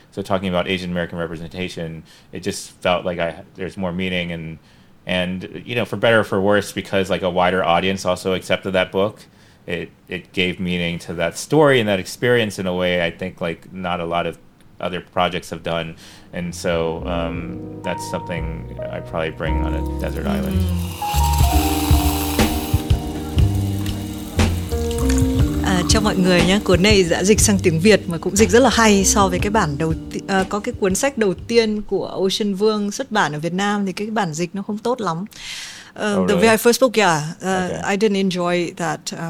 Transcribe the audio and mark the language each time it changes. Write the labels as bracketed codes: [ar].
[en] So talking about Asian American representation, it just felt like there's more meaning and you know, for better or for worse, because like a wider audience also accepted that book, it gave meaning to that story and that experience in a way I think like not a lot of other projects have done. And so that's something I probably bring on a desert island. [vi] Cho mọi người nhé, cuốn này đã dịch sang tiếng Việt mà cũng dịch rất là hay so với cái bản đầu có cái cuốn sách đầu tiên của Ocean Vương xuất bản ở Việt Nam thì cái bản dịch nó không tốt lắm. [en] Oh, really? The very first book, yeah, okay. I didn't enjoy that.